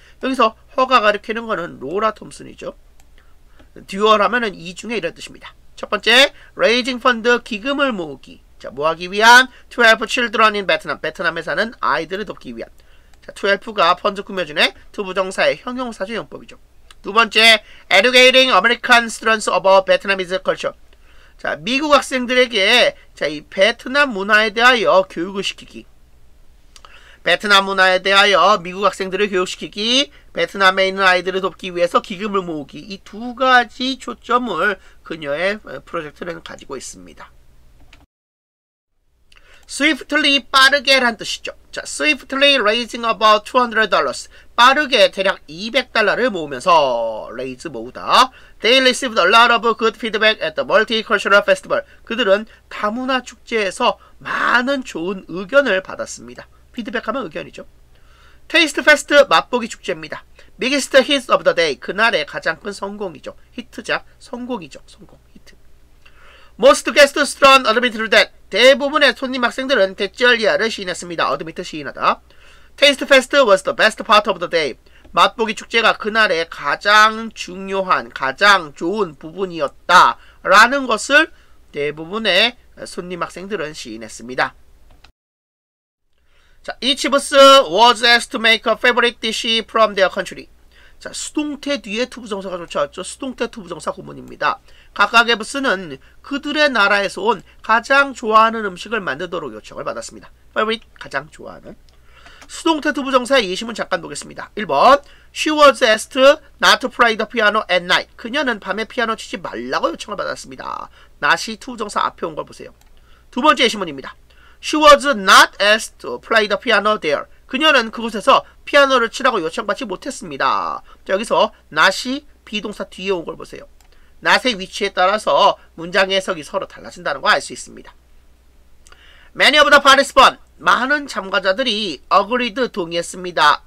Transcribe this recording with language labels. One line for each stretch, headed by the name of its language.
Korean: 여기서 허가 가리키는 거는 로라 톰슨이죠. dual 하면은 이중의 이런 뜻입니다. 첫 번째,
English: raising fund,
Korean: 기금을 모으기. 자, 모으기 위한
English: 12 children in Vietnam.
Korean: 베트남에 사는 아이들을 돕기 위한. 자, 12가 펀드 꾸며주네. 투 부정사의 형용사적 용법이죠.
English: 두 번째, educating American students about Vietnamese culture.
Korean: 자, 미국 학생들에게 자, 이 베트남 문화에 대하여 교육을 시키기. 베트남 문화에 대하여 미국 학생들을 교육시키기, 베트남에 있는 아이들을 돕기 위해서 기금을 모으기, 이 두 가지 초점을 그녀의 프로젝트는 가지고 있습니다.
English: swiftly
Korean: 빠르게란 뜻이죠.
English: 자, swiftly raising about $200.
Korean: 빠르게 대략 $200를 모으면서 raise 모으다.
English: They received a lot of good feedback at the multicultural festival.
Korean: 그들은 다문화 축제에서 많은 좋은 의견을 받았습니다. 피드백하면 의견이죠. Taste Fest 맛보기 축제입니다.
English: Biggest hit of the day.
Korean: 그날의 가장 큰 성공이죠. 히트작 성공이죠. 성공. 히트.
English: Most guests strong admitted that.
Korean: 대부분의 손님 학생들은 대절리아를 시인했습니다. Admit 시인하다.
English: Taste Fest was the best part of the day.
Korean: 맛보기 축제가 그날의 가장 중요한, 가장 좋은 부분이었다. 라는 것을 대부분의 손님 학생들은 시인했습니다.
English: 자, each booth was asked to make a favorite dish from their country.
Korean: 자, 수동태 뒤에 투부정사가 쫓아왔죠. 수동태 투부정사 구문입니다. 각각의 부스는 그들의 나라에서 온 가장 좋아하는 음식을 만들도록 요청을 받았습니다. favorite, 가장 좋아하는. 수동태 투부정사의 예시문 잠깐 보겠습니다.
English: 1번, she was asked not to play the piano at night.
Korean: 그녀는 밤에 피아노 치지 말라고 요청을 받았습니다. not이 투정사 앞에 온 걸 보세요. 두 번째 예시문입니다.
English: She was not asked to play the piano there.
Korean: 그녀는 그곳에서 피아노를 치라고 요청받지 못했습니다. 자, 여기서 not이 비동사 뒤에 온 걸 보세요. not의 위치에 따라서 문장의 해석이 서로 달라진다는 거 알 수 있습니다.
English: Many of the participants,
Korean: 많은 참가자들이
English: agreed,
Korean: 동의했습니다.